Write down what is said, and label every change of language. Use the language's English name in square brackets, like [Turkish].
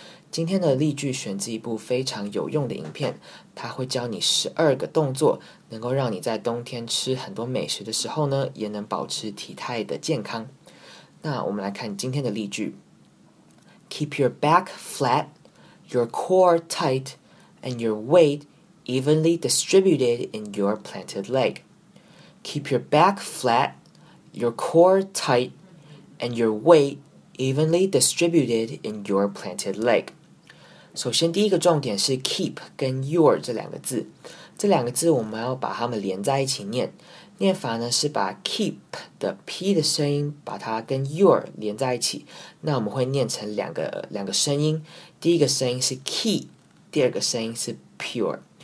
[Chinese] 今天的例句选自一部非常有用的影片，它会教你12个动作，能够让你在冬天吃很多美食的时候呢，也能保持体态的健康。那我们来看今天的例句。 [English] Keep your back flat, your core tight, and your weight evenly distributed in your planted leg. Keep your back flat, your core tight, and your weight evenly distributed in your planted leg. [Chinese] 首先第一个重点是 keep 跟 your 这两个字。这两个字我们要把它们连在一起念。念法呢是把 keep 的 p 的声音把它跟 your 连在一起。那我们会念成两个声音。第一个声音是 key, 第二个声音是 pure。